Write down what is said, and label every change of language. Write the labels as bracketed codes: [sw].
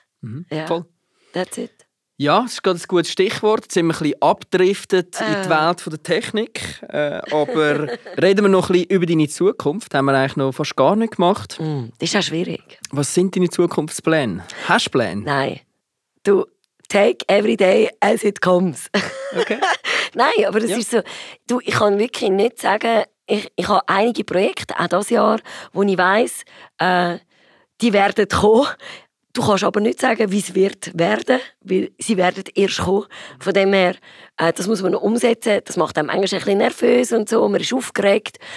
[de] Mhm. Ja. Voll. [en] That's it. [de] Ja, das ist gerade ein gutes Stichwort. Jetzt sind wir ein bisschen abgedriftet in die Welt der Technik. Aber reden wir noch ein bisschen über deine Zukunft. Haben wir eigentlich noch fast gar nicht gemacht. Das ist auch schwierig. Was sind deine Zukunftspläne? Hast du Pläne? Nein. Du, [en] take every day as it comes. [de] Okay. Nein, aber das ist so. Du, ich kann wirklich nicht sagen, ich habe einige Projekte, auch dieses Jahr, wo ich weiss, die werden kommen. Du kannst aber nicht sagen, wie es wird werden, weil sie werden erst kommen. Von dem her, das muss man noch umsetzen. Das macht einem manchmal ein bisschen nervös und so. Man ist aufgeregt.